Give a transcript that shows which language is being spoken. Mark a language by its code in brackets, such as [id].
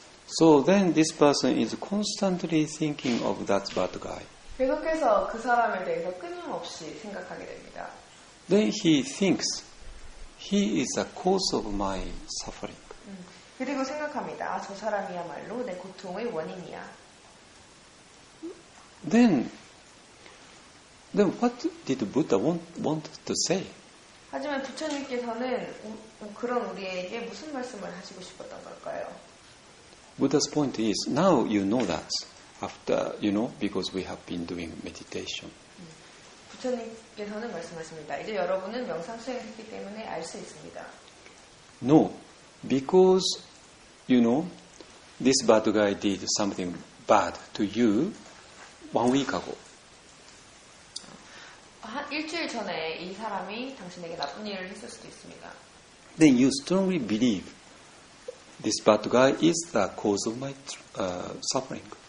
[en] So then this person is constantly thinking of that bad guy. [ko] 계속해서 그 사람에 대해서 끊임없이 생각하게 됩니다. [en] Then he thinks he is the cause of my suffering. [ko] 그리고 생각합니다. 아, 저 사람이야말로 내 고통의 원인이야. [en] Then what did Buddha want to say? [ko] 하지만 부처님께서는 그런 우리에게 무슨 말씀을 하시고 싶었던 걸까요? [en] Buddha's point is now you know that after you know because we have been doing meditation. [ko] 부처님께서는 말씀하십니다. 이제 여러분은 명상 수행했기 때문에 알 수 있습니다. [en] No, because you know this bad guy did something bad to you one week ago. [ko] 일주일 전에 이 사람이 당신에게 나쁜 일을 했을 수도 있습니다. [en] Then you strongly believe this bad guy is the cause of my suffering.